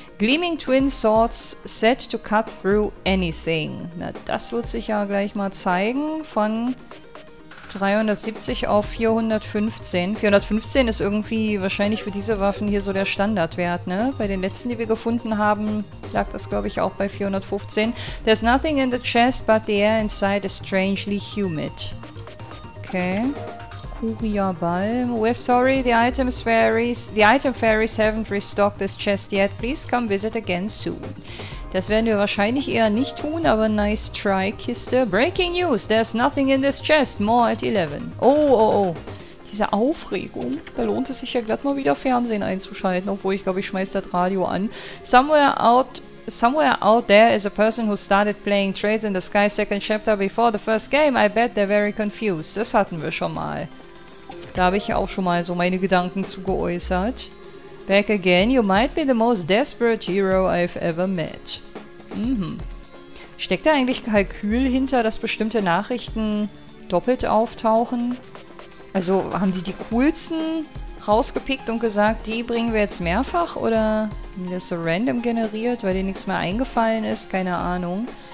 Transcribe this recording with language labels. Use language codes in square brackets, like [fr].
[en] Gleaming Twin Swords set to cut through anything. [de] Na, das wird sich ja gleich mal zeigen. Von 370 auf 415. 415 ist irgendwie wahrscheinlich für diese Waffen hier so der Standardwert, ne? Bei den letzten, die wir gefunden haben, lag das, glaube ich, auch bei 415. [en] There's nothing in the chest, but the air inside is strangely humid. Okay. Kuria Balm. We're sorry, the item fairies haven't restocked this chest yet. Please come visit again soon. [de] Das werden wir wahrscheinlich eher nicht tun, aber [en] nice try, [de] Kiste. [en] Breaking news, there's nothing in this chest. More at 11. Oh, oh, oh. [de] Diese Aufregung. Da lohnt es sich ja glatt mal wieder Fernsehen einzuschalten, obwohl ich glaube, ich schmeiß das Radio an. [en] Somewhere out there is a person who started playing Trails in the Sky Second Chapter before the first game. I bet they're very confused. [de] Das hatten wir schon mal. Da habe ich ja auch schon mal so meine Gedanken zu geäußert. [en] Back again, you might be the most desperate hero I've ever met. Mhm. [de] Steckt da eigentlich Kalkül hinter, dass bestimmte Nachrichten doppelt auftauchen? Also haben die die coolsten rausgepickt und gesagt, die bringen wir jetzt mehrfach? Oder haben die das so random generiert, weil dir nichts mehr eingefallen ist? Keine Ahnung.